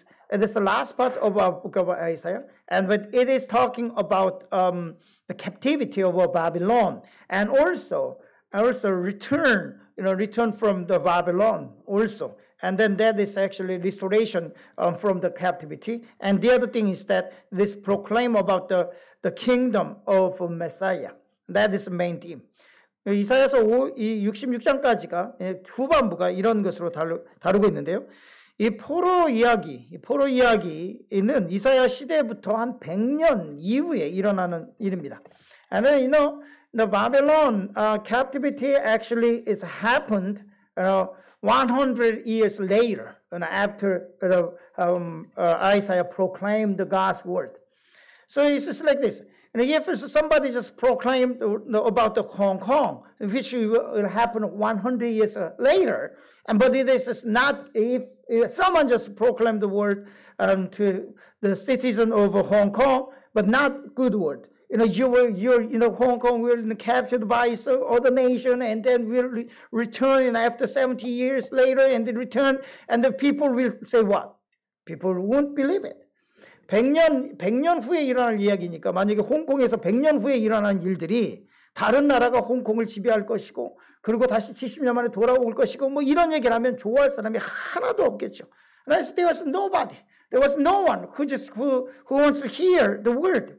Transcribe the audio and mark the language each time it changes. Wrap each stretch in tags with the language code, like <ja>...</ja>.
<en>And this is the last part of our book of Isaiah. And but it is talking about the captivity of Babylon. And also return, you know, return from the Babylon also. And then that is actually restoration from the captivity. And the other thing is that this proclaim about the kingdom of Messiah. That is the main theme.</en> <ko>이사야서 66장까지가 후반부가 이런 것으로 다루고 있는데요. 이 포로 이야기, 이는 이사야 시대부터 한 100년 이후에 일어나는 일입니다.</ko> <en>And then, you know, the Babylon captivity actually is happened 100 years later, after Isaiah proclaimed the God's word. So it's just like this. And if somebody just proclaimed about the Hong Kong, which will happen 100 years later, and but this is not if someone just proclaimed the word to the citizen of Hong Kong, but not good word. You know, Hong Kong will be captured by other nation, and then will return after 70 years later, and then return, and the people will say what? People won't believe it.</en> <ko>100년 후에 일어날 이야기니까 만약에 홍콩에서 100년 후에 일어난 일들이 다른 나라가 홍콩을 지배할 것이고 그리고 다시 70년 만에 돌아올 것이고 뭐 이런 얘기를 하면 좋아할 사람이 하나도 없겠죠.</ko> <en>And there was nobody. There was no one who wants to hear the word.</en>